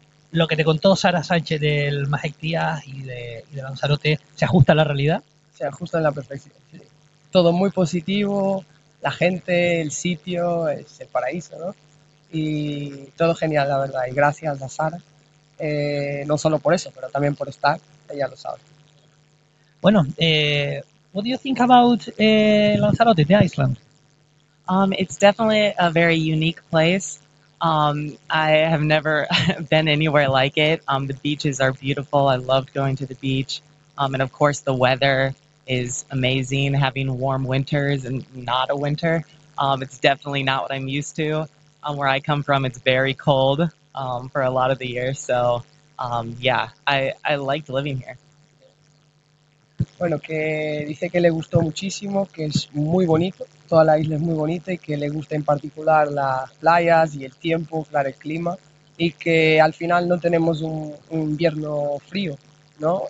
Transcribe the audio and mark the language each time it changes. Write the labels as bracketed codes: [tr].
[es] Lo que te contó Sara Sánchez del Majestías y de Lanzarote, ¿se ajusta a la realidad? Se ajusta en la perfección. Sí. Todo muy positivo, la gente, el sitio, es el paraíso, ¿no? Y todo genial, la verdad. Y gracias a Sara, no solo por eso, pero también por estar, ella lo sabe. [en] Bueno, what do you think about Lanzarote, the Iceland? It's definitely a very unique place. I have never been anywhere like it. The beaches are beautiful. I loved going to the beach. And of course, the weather is amazing, having warm winters and not a winter. It's definitely not what I'm used to. Where I come from, it's very cold for a lot of the year. So, yeah, I liked living here. [es] Bueno, que dice que le gustó muchísimo, que es muy bonito, toda la isla es muy bonita y que le gusta en particular las playas y el tiempo, claro, el clima, y que al final no tenemos un invierno frío, ¿no?